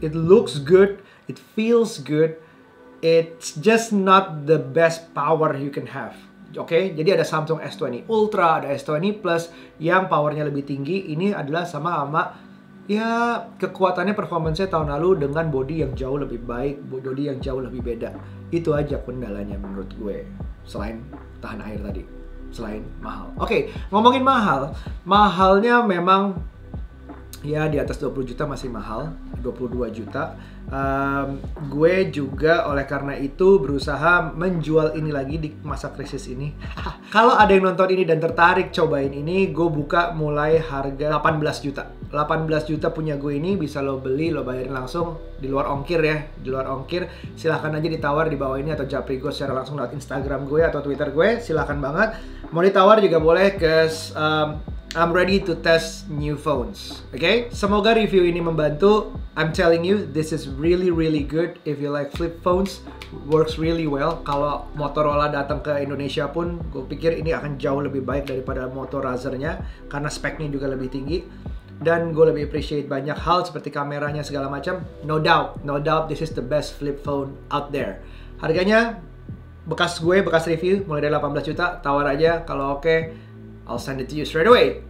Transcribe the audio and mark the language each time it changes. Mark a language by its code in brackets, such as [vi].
[en] It looks good, it feels good, it's just not the best power you can have. [id] Oke, jadi ada Samsung S20 Ultra, ada S20 Plus yang powernya lebih tinggi. Ini adalah sama-sama ya kekuatannya, performance-nya tahun lalu dengan body yang jauh lebih baik, body yang jauh lebih beda. Itu aja kendalanya menurut gue, selain tahan air tadi, selain mahal. Oke, ngomongin mahal, mahalnya memang ya di atas 20 juta masih mahal, 22 juta. Gue juga oleh karena itu berusaha menjual ini lagi di masa krisis ini. Kalau ada yang nonton ini dan tertarik cobain ini, gue buka mulai harga 18 juta. 18 juta punya gue ini, bisa lo beli, lo bayarin langsung di luar ongkir ya. Di luar ongkir, silahkan aja ditawar di bawah ini atau japri gue secara langsung lewat Instagram gue atau Twitter gue. Silahkan banget. Mau ditawar juga boleh ke [en] I'm ready to test new phones. Okay? [id] Semoga review ini membantu. [en] I'm telling you, this is really really good. If you like flip phones, works really well. [id] Kalau Motorola datang ke Indonesia pun, gue pikir ini akan jauh lebih baik daripada Moto Razr-nya, karena speknya juga lebih tinggi. Dan gue lebih appreciate banyak hal seperti kameranya segala macam. [en] No doubt, this is the best flip phone out there. [id] Harganya bekas gue, bekas review, mulai dari 18 juta, tawar aja. Kalau oke, [en] I'll send it to you straight away.